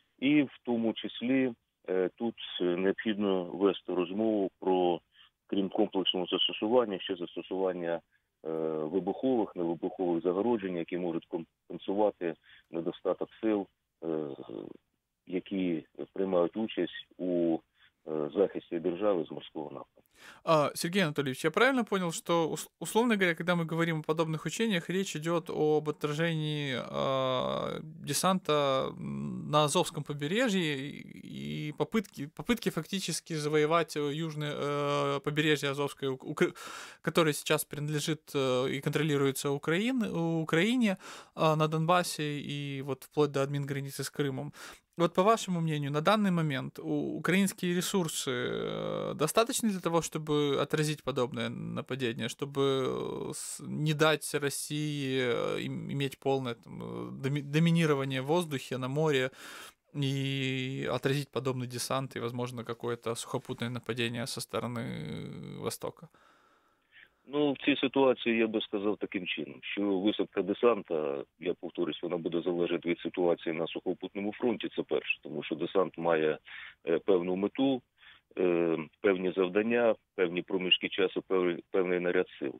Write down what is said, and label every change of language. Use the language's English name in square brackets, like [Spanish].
[Ukrainian] І в тому числі тут необхідно вести розмову про, крім комплексного застосування, ще застосування вибухових, невибухових загороджень, які можуть компенсувати недостаток сил, які приймають участь у захисті держави з морського нападу. [Russian] Сергей Анатольевич, я правильно понял, что, условно говоря, когда мы говорим о подобных учениях, речь идет об отражении десанта на Азовском побережье и попытки фактически завоевать южное побережье Азовское, которое сейчас принадлежит и контролируется Украине, на Донбассе и вот вплоть до админграницы с Крымом. Вот по вашему мнению, на данный момент украинские ресурсы достаточны для того, чтобы отразить подобное нападение, чтобы не дать России иметь полное там, доминирование в воздухе, на море и отразить подобный десант и, возможно, какое-то сухопутное нападение со стороны Востока? [Ukrainian] Ну, в цій ситуації я би сказав таким чином, що висадка десанта, я повторюсь, вона буде залежати від ситуації на сухопутному фронті, це перше, тому що десант має певну мету, певні завдання, певні проміжки часу, певний наряд сил.